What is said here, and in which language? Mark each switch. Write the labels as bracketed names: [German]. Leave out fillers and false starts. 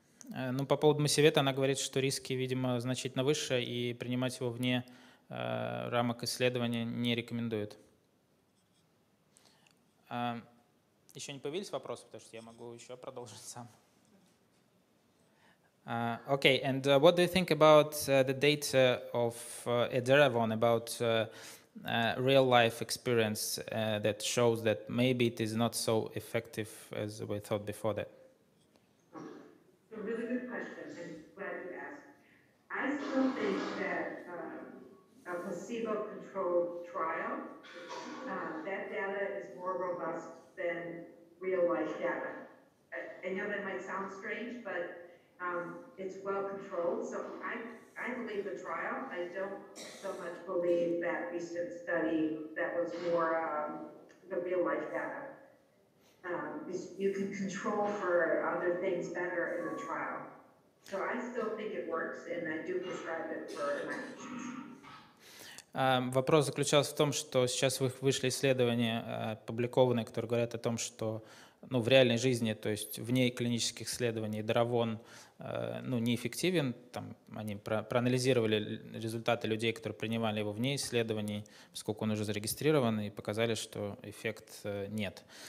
[Russian] Ну, по поводу Масивета она говорит, что риски, видимо, значительно выше, и принимать его вне рамок исследования не рекомендует. Еще не появились вопросы, потому что я могу еще продолжить сам. [English] Okay, and what do you think about the data of Edaravon about real life experience that shows that maybe it is not so effective as we thought before that? A really good question, and glad you asked. I still think that a placebo controlled trial, that data is more robust than real life data. I know that might sound strange, but it's well controlled, so I believe the trial. I don't so much believe that recent study that was more the real life data. You can control for other things better in the trial, so I still think it works, and I do prescribe it for my patients. [Russian] Вопрос заключался в том, что сейчас вышли исследования, опубликованные, которые говорят о том, что ну, в реальной жизни, то есть вне клинических исследований, Даравон ну, неэффективен. Там они проанализировали результаты людей, которые принимали его вне исследований, поскольку он уже зарегистрирован, и показали, что эффект нет.